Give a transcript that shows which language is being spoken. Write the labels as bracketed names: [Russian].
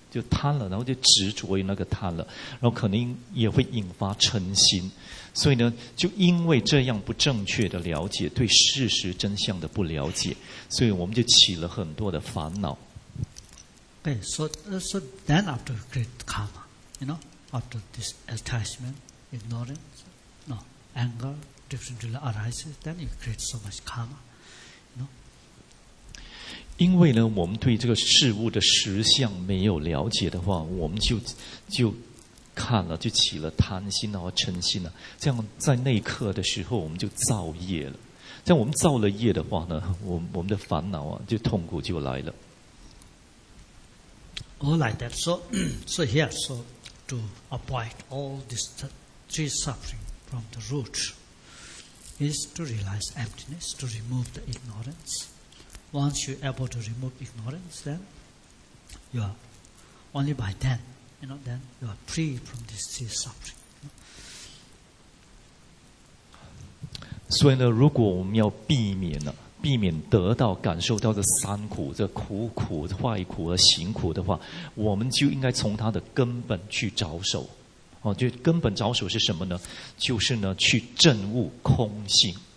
[Chinese] 就贪了，然后就执着于那个贪了，然后可能也会引发嗔心。所以呢，就因为这样不正确的了解，对事实真相的不了解，所以我们就起了很多的烦恼。 [English] Okay, so then after great karma, you know, after this attachment, ignorance, no, anger, different arises, then you create so much karma. [Chinese] 因为呢，我们对这个事物的实相没有了解的话，我们就看了，就起了贪心啊、嗔心啊，这样在那一刻的时候，我们就造业了。像我们造了业的话呢，我们的烦恼就痛苦就来了。 [English] All like that, so here, so to avoid all these three suffering from the root is to realize emptiness, to remove the ignorance. Once you're able to remove ignorance, then you are only by then, you know, then you are free from this suffering. [Chinese] 所以呢，如果我们要避免得到感受到这三苦，这苦苦、坏苦和行苦的话，我们就应该从它的根本去着手。就根本着手是什么呢？就是呢，去证悟空性。